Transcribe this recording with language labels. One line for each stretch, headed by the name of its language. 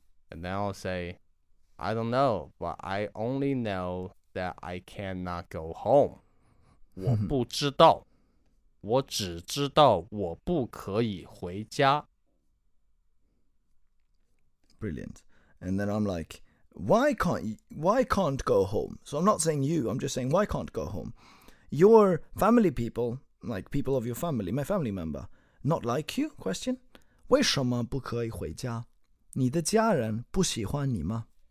English: And then I'll say, I don't know, but I only know that I cannot go home.
Chinese: 我不知道, 我只知道我不可以回家.
English: Brilliant. And then I'm like, why can't go home? So I'm not saying you, I'm just saying, why can't go home? Your family people, like people of your family, my family member, not like you?
Chinese: Question. 为什么不可以回家?你的家人不喜欢你吗?